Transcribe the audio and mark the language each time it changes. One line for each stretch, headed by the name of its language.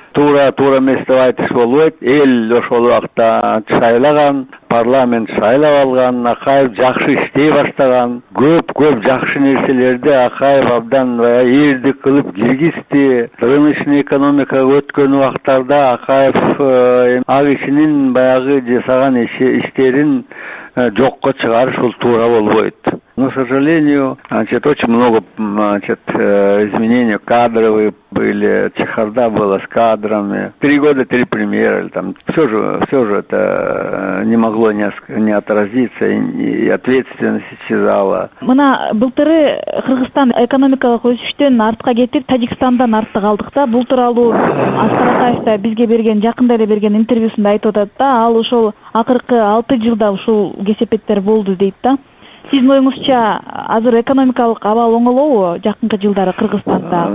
Kyrgyz: Туура эмес деп айтыш болбойт. Эл ошол убакта шайлаган, парламент шайлап алган, Акаев жакшы иштей баштаган, көп жакшы нерселерди Акаев абдан ирди кылып киргизди. Рыночный экономикага өткөн убактарда Акаев ал ишинин баягы жасаган иштерин жокко чыгарыш бул туура болбойт.
Russian: Но, к сожалению, значит, очень много, значит, изменений кадровые были, чехарда была с кадрами. 3 года, 3 премьера, там, все же это не могло не отразиться, и ответственность исчезала.
Kyrgyz: Мына былтыры Кыргызстан экономикалык өсүштөн артка кетип, Таджикстандан артта калдык да. Бул тууралуу Аскар Акаев да бизге берген, жакында эле берген интервьюсунда айтып атат да, ал ошол акыркы 6 жылда ушул кесепеттер болду дейт да. Сиздин оюңузча азыр экономикалык абал оңолобу жакынкы жылдары Кыргызстанда?